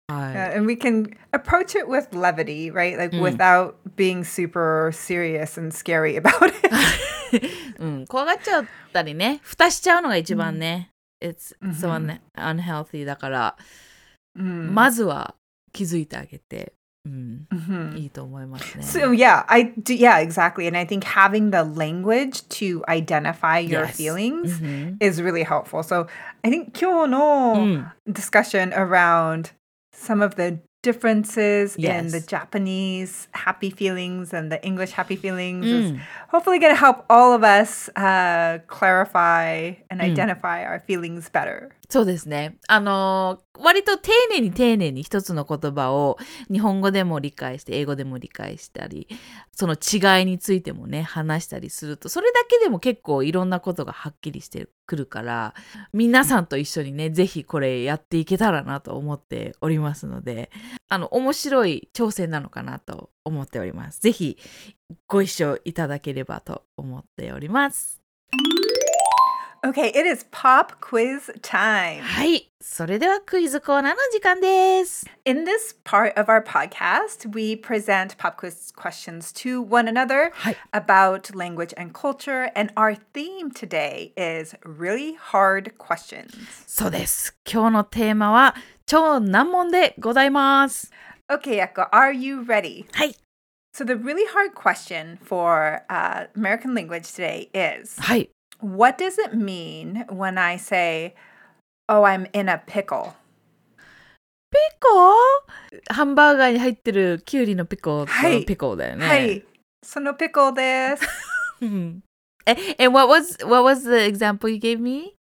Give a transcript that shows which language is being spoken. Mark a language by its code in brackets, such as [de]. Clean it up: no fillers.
[en] Yeah, and we can approach it with levity, right? Like without being super serious and scary about it. [ja] 、怖がっちゃったりね、蓋しちゃうのが一番ね。 [en] It's so unhealthy [ja] だから、まずは気づいてあげて、 Mm-hmm. [en] So yeah, I do, yeah, exactly. And I think having the language to identify your feelings is really helpful. So I think 今日の discussion around some of the differences in the Japanese happy feelings and the English happy feelings is hopefully going to help all of us clarify and identify our feelings better. [ja] そうですね。割と丁寧に丁寧に一つの言葉を日本語でも理解して英語でも理解したり、その違いについてもね、話したりすると、それだけでも結構いろんなことがはっきりしてくるから、皆さんと一緒にね、ぜひこれやっていけたらなと思っておりますので、面白い挑戦なのかなと思っております。ぜひご一緒いただければと思っております。 [en] Okay, it is pop quiz time. [ja] はい、それではクイズコーナーの時間です。 [en] In this part of our podcast, we present pop quiz questions to one another about language and culture, and our theme today is really hard questions. [ja] そうです。今日のテーマは超難問でございます。 [en] Okay, Yako, are you ready? [ja] はい。 [en] So the really hard question for American language today is... [ja] はい。 [en] What does it mean when I say, oh, I'm in a pickle? Pickle? [ja] ハンバーガーに入ってるキュウリのピコってのピコだよね。はい。そのピコです。 [en] And what was the example you gave me?